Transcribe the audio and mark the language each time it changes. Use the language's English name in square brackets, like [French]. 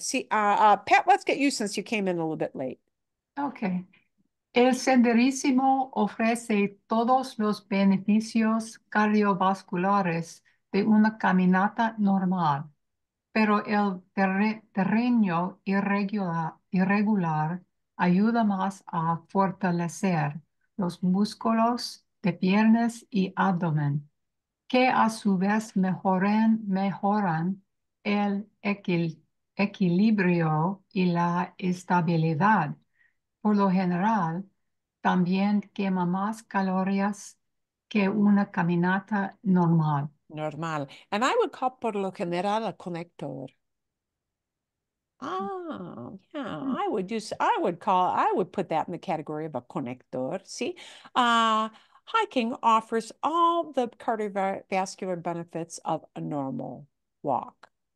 [Spanish] Sí, [English] Pat, let's get you since you came in a little bit late. Okay. [Spanish] El senderismo ofrece todos los beneficios cardiovasculares de una caminata normal, pero el terreno irregular ayuda más a fortalecer los músculos de piernas y abdomen, que a su vez mejoran el equilibrio y la estabilidad. Por lo general, también quema más calorías que una caminata normal. [English] Normal. And I would call [Spanish] por lo general [English] a conector. Oh, yeah, I would put that in the category of a connector. See, hiking offers all the cardiovascular benefits of a normal walk.